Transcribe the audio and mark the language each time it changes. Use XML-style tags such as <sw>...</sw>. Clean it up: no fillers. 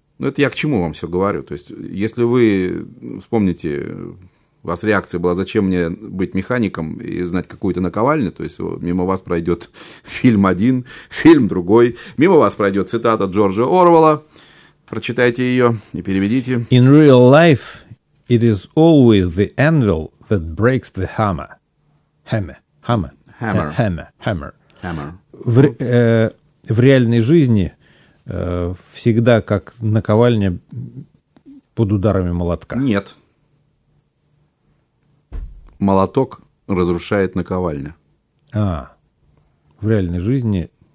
<ru>Ну, это я к чему вам все говорю? То есть, если вы вспомните... У вас реакция была, зачем мне быть механиком и знать какую-то наковальню? То есть, мимо вас пройдет фильм один, фильм другой. Мимо вас пройдет цитата Джорджа Орвелла. Прочитайте ее и переведите.</ru> <en>In real life, it is always the anvil that breaks the hammer. Hammer.</en> <ru>В реальной жизни всегда как наковальня под ударами молотка. Нет. Молоток разрушает наковальня. А, в реальной жизни...</ru>